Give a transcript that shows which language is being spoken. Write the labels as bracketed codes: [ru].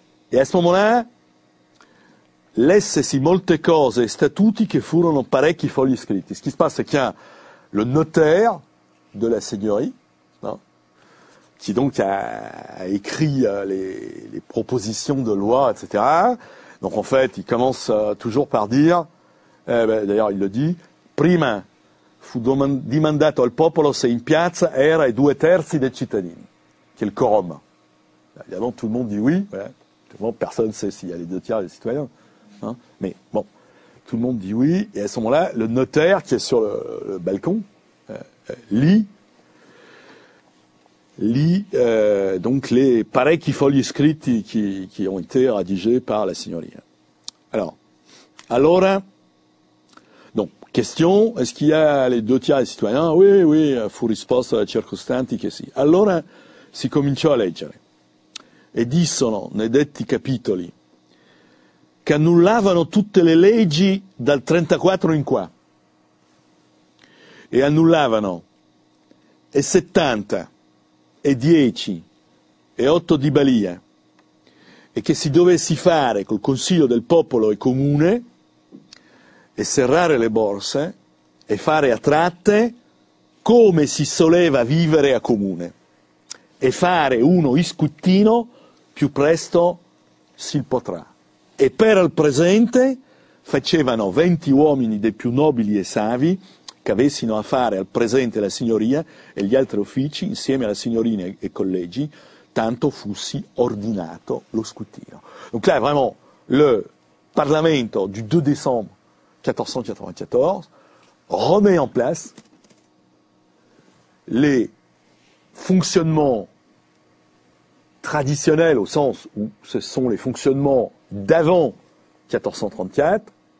[fr] Et à ce moment-là, laissez-y [it] molte cose, statuti che furono parecchi fogli scritti. [fr] Ce qui se passe, c'est qu'il y a le notaire de la seigneurie, qui donc a écrit les propositions de loi, etc. Donc en fait, il commence toujours par dire, d'ailleurs il le dit, « [it] Prima fu dimandato al popolo se in piazza era i due terzi dei cittadini [fr] », qui est le quorum. Évidemment, tout le monde dit oui, voilà. Personne ne sait s'il y a les deux tiers des citoyens. Hein. Mais bon, tout le monde dit oui, et à ce moment-là, le notaire qui est sur le balcon lit donc les [it] parecchi fogli scritti [fr] qui ont été rédigés par la signorina. Alors, donc, question, est-ce qu'il y a les deux tiers des citoyens? Oui, oui, [it] fu risposta da circostanti che sì. Allora si cominciò a leggere. E dissono, nei detti capitoli, che annullavano tutte le leggi dal 34 in qua. E annullavano e 70 e 10 e 8 di Balia, e che si dovessi fare col consiglio del popolo e comune e serrare le borse e fare a tratte come si soleva vivere a comune e fare uno iscuttino più presto si potrà. E per al presente facevano 20 uomini dei più nobili e savi che avessino a fare al presente la signoria e gli altri uffici, insieme alla signorina e collegi, tanto fussi ordinato lo scuttino. [fr] Donc là, vraiment, le Parlamento du 2 décembre 1494 remet en place les fonctionnements traditionnels, au sens où ce sont les fonctionnements d'avant 1434,